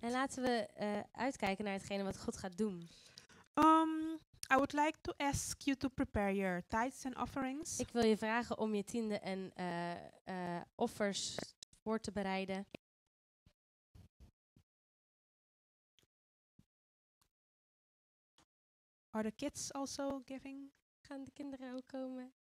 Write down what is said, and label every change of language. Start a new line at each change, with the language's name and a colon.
Dutch: En laten we uitkijken naar hetgene wat God gaat doen.
English: I would like to ask you to prepare your tithes and offerings.
Dutch: Ik wil je vragen om je tiende en offers voor te bereiden.
English: Are the kids also giving?
Dutch: Gaan de kinderen ook komen?